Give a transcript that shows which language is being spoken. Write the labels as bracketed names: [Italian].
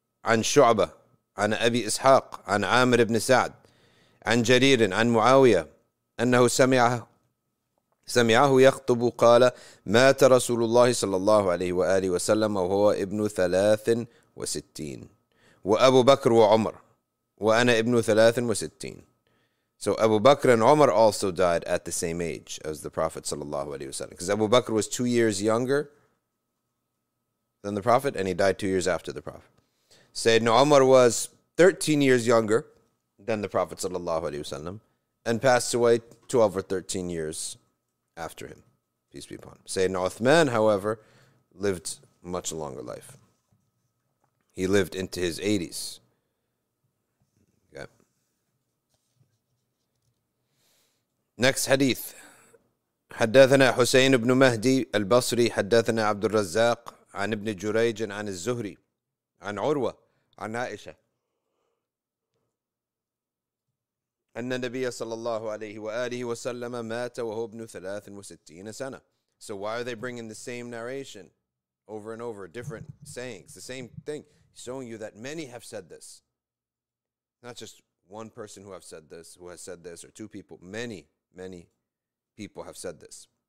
[Arabic] عن شعبة عن أبي إسحاق عن عامر بن سعد عن جرير عن معاوية أنه سمعه يخطب قال مات رسول الله صلى الله عليه وآله وسلم وهو ابن 63 وأبو بكر وعمر وأنا ابن 63. [English] So Abu Bakr and Umar also died at the same age as the Prophet صلى الله عليه وسلم, because Abu Bakr was 2 years younger than the Prophet and he died 2 years after the Prophet. Sayyidina Umar was 13 years younger than the Prophet sallallahu alaihi wasallam and passed away 12 or 13 years after him, peace be upon him. Sayyidina Uthman, however, lived much longer life. He lived into his 80s. Okay. Next hadith. [Arabic] حدثنا حسين بن مهدي البصري حدثنا عبد الرزاق عن ابن جريج عن الزهري عن عروة عن عائشة أن النبي صلى الله عليه وآله وسلم مات وهو ابن 63 سنة. [English] So why are they bringing the same narration over and over, different sayings, the same thing, showing you that many have said this. Not just one person who have said this, who has said this, or two people, many, many people have said this.